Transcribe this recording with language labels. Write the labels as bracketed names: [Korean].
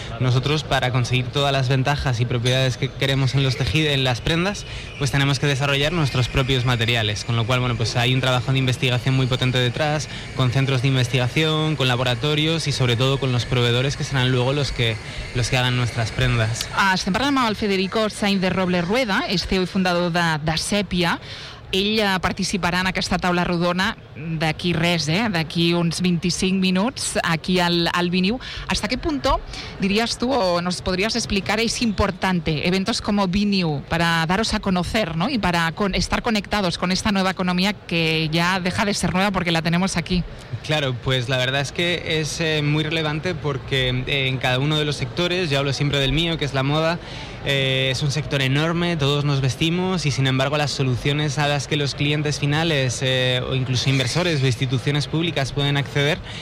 [Spanish] Nosotros, para conseguir todas las ventajas y propiedades que queremos en los tejidos, en las prendas, pues tenemos que desarrollar nuestros propios materiales, con lo cual, bueno, pues hay un trabajo de investigación muy potente detrás, con centros de investigación, con laboratorios y sobre todo con los proveedores que serán luego los que hagan nuestras prendas. [Catalan] Estem parlant amb el Federico Sainz de Robles Rueda, és CEO i fundador de Sepia. Ell participarà en aquesta taula rodona d'aquí res, d'aquí uns 25 minuts aquí al Viniu. [Spanish] Hasta qué punto dirías tú o nos podrías explicar es importante eventos como Viniu para daros a conocer, ¿no? Y para estar conectados con esta nueva economía que ya deja de ser nueva porque la tenemos aquí. Claro, pues la verdad es que es muy relevante porque en cada uno de los sectores, yo hablo siempre del mío que es la moda, es un sector enorme, todos nos vestimos y sin embargo las soluciones a las que los clientes finales o incluso inversores o instituciones públicas pueden acceder